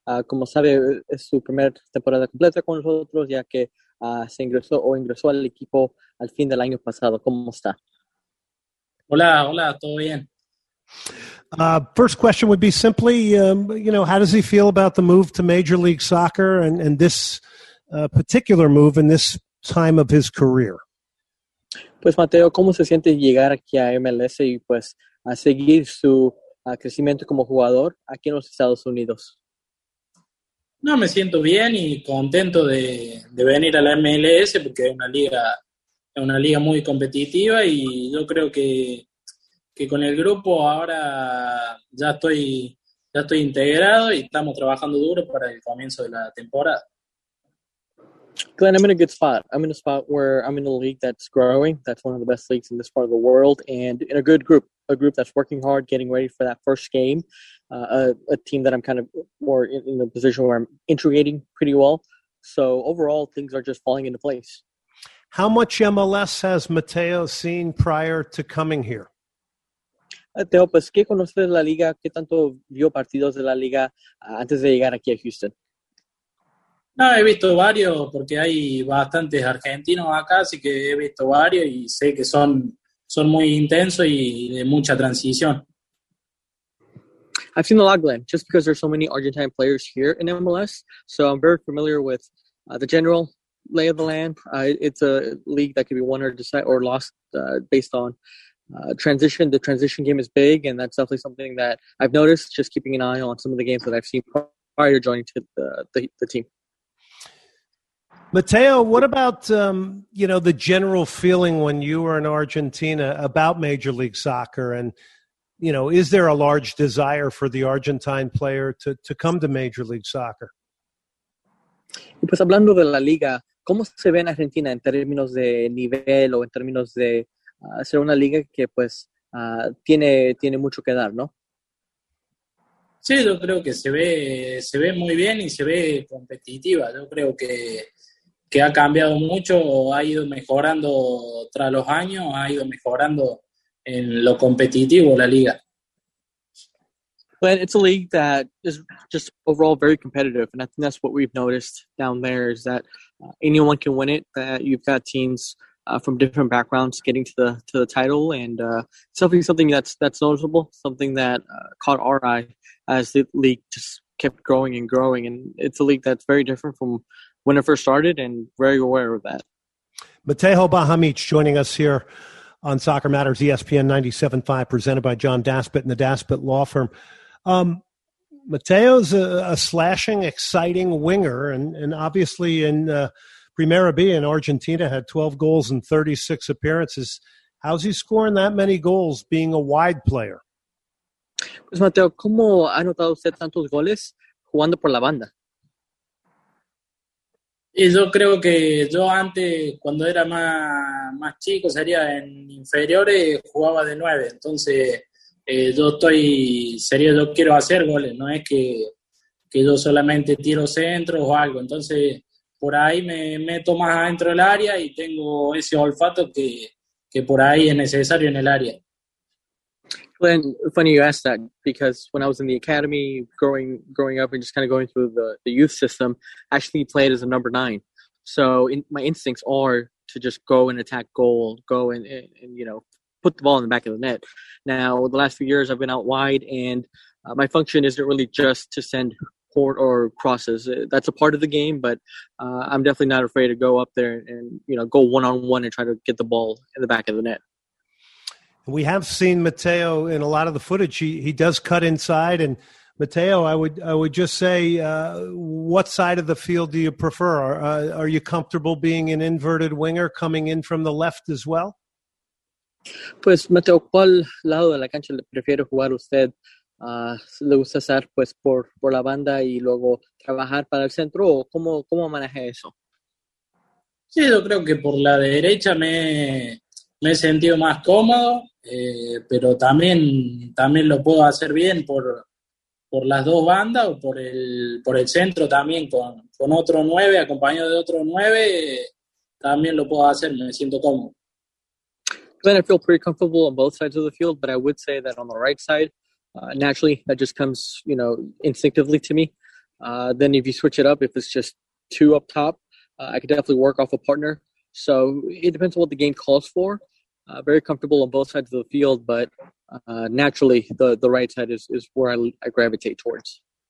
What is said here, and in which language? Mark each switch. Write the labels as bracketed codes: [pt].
[es] Como sabe, es su primera temporada completa con nosotros, ya que ingresó al equipo al fin del año pasado. ¿Cómo está? Hola, todo bien. [en] First question would be simply, how does he feel about the move to Major League Soccer and this particular move in this time of his career? [es] Pues Mateo, ¿cómo se siente llegar aquí a MLS y pues a seguir su crecimiento como jugador aquí en los Estados Unidos? No, me siento bien y contento de venir a la MLS porque es una liga muy competitiva y yo creo que con el grupo ahora ya estoy integrado y estamos trabajando duro para el comienzo de la temporada. [en] Glenn, I'm in a good spot. I'm in a league that's growing. That's one of the best leagues in this part of the world, and in a good group, a group that's working hard, getting ready for that first game, a team that I'm kind of more in a position where I'm integrating pretty well. So overall, things are just falling into place. How much MLS has Mateo seen prior to coming here? [es] Mateo, pues, ¿qué conoces de la liga? ¿Qué tanto vio partidos de la liga antes de llegar aquí a Houston? No, he visto varios porque hay bastantes argentinos acá, así que he visto varios y sé que son muy intensos y de mucha transición. [en] I've seen a lot, Glenn, just because there's so many Argentine players here in MLS, so I'm very familiar with the general lay of the land. It's a league that could be won or lost based on transition. The transition game is big, and that's definitely something that I've noticed just keeping an eye on some of the games that I've seen prior to joining to the team. Mateo, what about, the general feeling when you were in Argentina about Major League Soccer? And, you know, is there a large desire for the Argentine player to come to Major League Soccer? [es] Y pues hablando de la liga, ¿cómo se ve en Argentina en términos de nivel o en términos de ser una liga que pues tiene mucho que dar, ¿no? Sí, yo creo que se ve muy bien y se ve competitiva. Yo creo que ha cambiado mucho, ha ido mejorando tras los años, ha ido mejorando en lo competitivo la liga. [en] But it's a league that is just overall very competitive, and I think that's what we've noticed down there is that anyone can win it, that you've got teams from different backgrounds getting to the title, and something that's noticeable, something that caught our eye as the league just kept growing and growing. And it's a league that's very different from when it first started, and very aware of that. Mateo Bajamich joining us here on Soccer Matters, ESPN 97.5, presented by John Daspit and the Daspit Law Firm. Mateo's a slashing, exciting winger, and obviously in Primera B in Argentina had 12 goals and 36 appearances. How's he scoring that many goals being a wide player? [es] Pues Mateo, ¿cómo ha anotado usted tantos goles jugando por la banda? Y yo creo que yo antes, cuando era más chico, sería en inferiores, jugaba de 9. Entonces, yo quiero hacer goles. No es que yo solamente tiro centros o algo. Entonces, por ahí me meto más adentro del área y tengo ese olfato que por ahí es necesario en el área. [en] Glenn, funny you asked that, because when I was in the academy growing up and just kind of going through the youth system, I actually played as a number 9. So my instincts are to just go and attack goal, go and put the ball in the back of the net. Now, the last few years I've been out wide, and my function isn't really just to send court or crosses. That's a part of the game, but I'm definitely not afraid to go up there and, go one-on-one and try to get the ball in the back of the net. We have seen Mateo in a lot of the footage. He does cut inside, and Mateo, I would just say, what side of the field do you prefer? Are you comfortable being an inverted winger coming in from the left as well? [es] Pues, Mateo, ¿cuál lado de la cancha le prefiere jugar usted? ¿Le gusta estar pues por la banda y luego trabajar para el centro? ¿O cómo maneja eso? Sí, yo creo que por la derecha me he sentido más cómodo, pero también lo puedo hacer bien por las dos bandas o por el centro también, con otro 9, acompañado de otro 9, también lo puedo hacer, me siento cómodo. [en] Then I feel pretty comfortable on both sides of the field, but I would say that on the right side, naturally, that just comes, you know, instinctively to me. Then if you switch it up, if it's just two up top, I could definitely work off a partner. So it depends on what the game calls for. Very comfortable on both sides of the field, but naturally, the right side is where I gravitate towards.